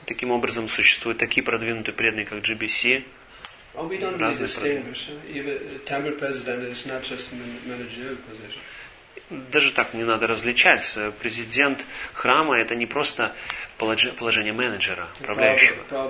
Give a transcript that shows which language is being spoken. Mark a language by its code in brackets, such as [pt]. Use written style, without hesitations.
[ru] Таким образом существуют такие продвинутые преданные, как GBC. [en] Oh, we don't really distinguish. Even temple president is not just a managerial position. [ru] Даже так не надо различать. Президент храма это не просто положение менеджера, управляющего.